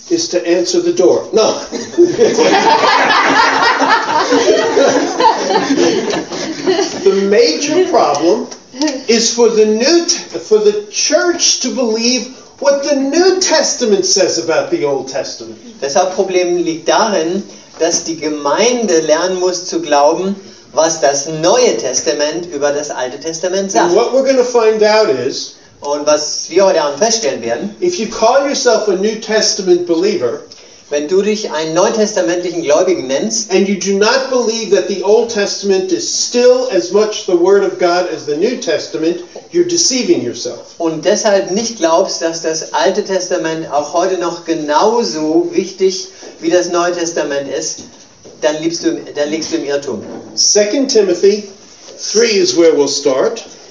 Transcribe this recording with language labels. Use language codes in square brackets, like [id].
[en] is to answer the door. No. The major problem is for the church to believe what the New Testament says about the Old Testament. [de] Das Hauptproblem liegt darin, dass die Gemeinde lernen muss zu glauben, was das Neue Testament über das Alte Testament sagt. [en] And what we're going to find out is, [de] und was wir heute Abend feststellen werden, [en] if you call yourself a New Testament believer, [de] wenn du dich einen neutestamentlichen Gläubigen nennst, [en] and you do not believe that the Old Testament is still as much the Word of God as the New Testament, you're deceiving yourself. [de] Und deshalb nicht glaubst, dass das Alte Testament auch heute noch genauso wichtig wie das Neue Testament ist, dann liegst du im Irrtum. [en] 2 Timothy 3 is where we'll start.